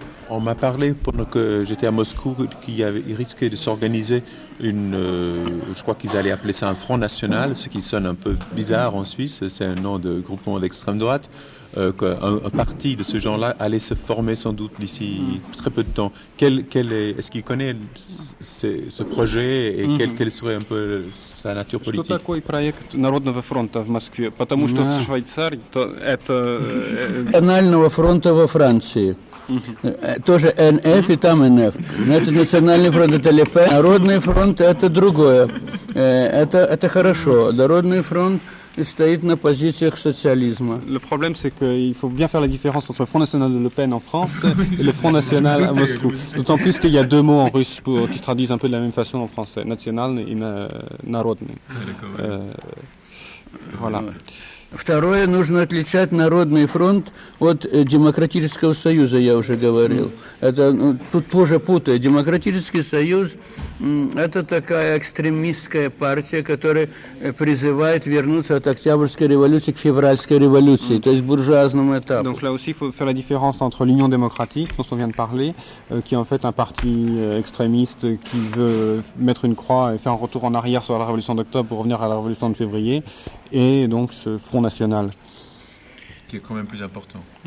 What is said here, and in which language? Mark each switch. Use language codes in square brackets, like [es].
[fr] On m'a parlé pendant que j'étais à Moscou qu'il y avait, il risquait de s'organiser une, je crois qu'ils allaient appeler ça un Front National, ce qui sonne un peu bizarre en Suisse, c'est un nom de groupement d'extrême droite, qu'un parti de ce genre-là allait se former sans doute d'ici très peu de temps. Est-ce qu'il connaît ce projet et quelle serait un peu sa nature politique? [ru] Что такое проект Народного фронта в Москве? Потому что в Швейцарии это Национального фронта во Франции. Mm-hmm. Тоже НФ и там НФ. Но это Национальный фронт, это Ле Пен. Народный фронт – это другое. Это хорошо. Народный фронт стоит на позициях социализма. [fr] Le problème, c'est qu'il faut bien faire la différence entre le Front National de Le Pen en France et le Front National à Moscou. D'autant plus qu'il y a deux mots en russe qui se traduisent un peu de la même façon en français. [ru] Национальный и народный. [fr] Voilà. [ru] Второе, нужно отличать Народный фронт от Демократического Союза, я уже говорил. Это, ну, тут тоже путаю. Демократический Союз – это такая экстремистская партия, которая призывает вернуться от Октябрьской революции к Февральской революции, то есть к буржуазному этапу. [fr] Donc là aussi, il faut faire la différence entre l'Union démocratique, dont on vient de parler, qui est en fait un parti extrémiste qui veut mettre une croix et faire un retour en arrière sur la révolution d'octobre pour revenir à la révolution de février, et donc ce Front National. Qui est quand même plus important.